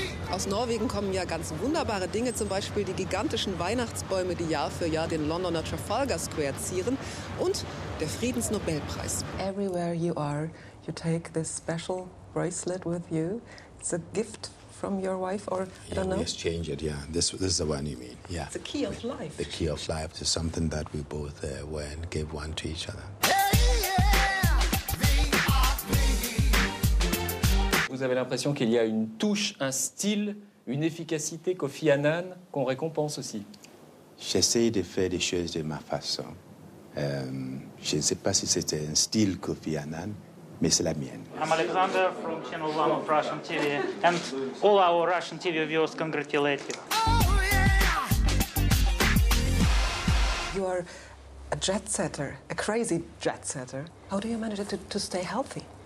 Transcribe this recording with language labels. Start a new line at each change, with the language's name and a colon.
German: Aus Norwegen kommen ja ganz wunderbare Dinge, zum Beispiel die gigantischen Weihnachtsbäume, die Jahr für Jahr den Londoner Trafalgar Square zieren, und der Friedensnobelpreis.
English: Everywhere you are, you take this special bracelet with you. It's a gift from your wife, or yeah, I don't know. We exchange it, yeah. This is the one you mean, yeah. It's the key of life. The key of life is something that we both wear and give one to each other.
French: Vous avez l'impression qu'il y a une touche, un style, une efficacité Kofi Annan qu'on récompense aussi. J'essaie de faire des choses de ma façon. Je ne sais pas si c'était un style Kofi Annan, mais c'est la mienne.
English: I'm Alexander from Channel 1 of Russian TV, and all our Russian TV viewers congratulate you. You are a jet setter, a crazy jet setter. How do you manage to stay healthy?